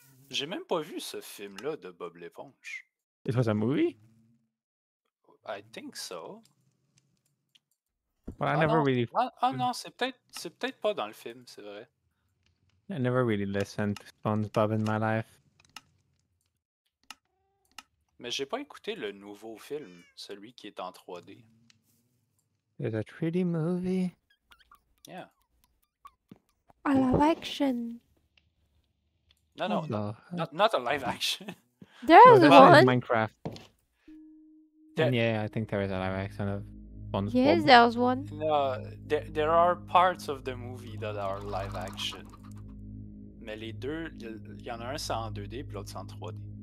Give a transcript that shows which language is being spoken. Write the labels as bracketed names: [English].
[French] J'ai même pas vu ce film-là de Bob l'éponge. [English] It was a movie? I think so. But I never really... [French] Non, c'est peut-être pas dans le film, c'est vrai. [English] I never really listened to SpongeBob in my life. [French] Mais j'ai pas écouté le nouveau film, celui qui est en 3D. [English] There's a 3D movie? Yeah. A live action. No, not a live action. There's one. Minecraft. I think there is a live action of SpongeBob. Yes, there's one. No, there are parts of the movie that are live action. [French] Mais les deux, il y en a un c'est en 2D et l'autre c'est en 3D.